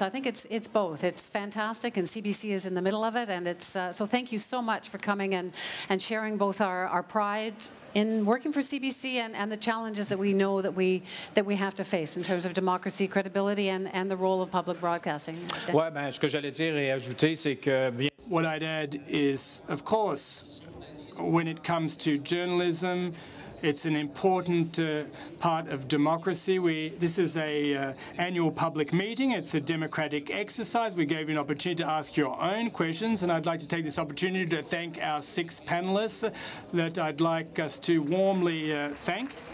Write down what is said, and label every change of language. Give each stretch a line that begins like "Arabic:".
English: I think it's both. It's fantastic, and CBC is in the middle of it. And it's so thank you so much for coming and sharing both our pride in working for CBC and the challenges that we know that we have to face in terms of democracy, credibility, and the role of public broadcasting.
French: Ouais, ben, ce que j'allais dire et ajouter, c'est que bien...
English: What I'd add is, of course, when it comes to journalism, it's an important part of democracy. This is an annual public meeting. It's a democratic exercise. We gave you an opportunity to ask your own questions, and I'd like to take this opportunity to thank our six panelists that I'd like us to warmly thank.